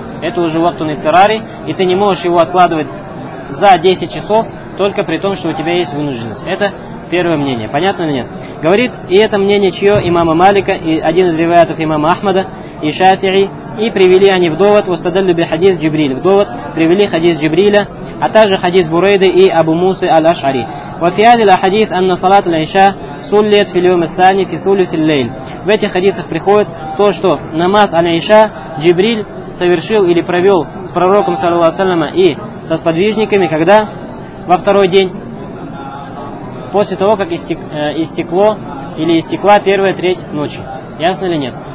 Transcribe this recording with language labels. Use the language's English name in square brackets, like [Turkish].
[Russian] Это уже [Arabic] вактун иттирари, [Russian] и ты не можешь его откладывать за 10 часов, только при том, что у тебя есть вынужденность. Это первое мнение. Понятно или нет? Говорит, и это мнение чье? Имама Малика, и один из ривайатов имама Ахмада, и Шафии, и привели они в довод, [Arabic] устадаллю би хадис Джибриль, [Russian] в довод привели хадис Джибриля, а также хадис Бурейды и Абу Мусы Аль-Ашари. [Arabic] وفيال الحديث أن صلاة العشاء صليت في اليوم الثاني في ثلث الليل. [Russian] В этих хадисах приходит то, что намаз аль-Иша Джибриль совершил или провел с пророком [Arabic] саллаллаху алейхи ва саллям [Russian] и со сподвижниками, когда во второй день после того, как истекла первая треть ночи. Ясно или нет?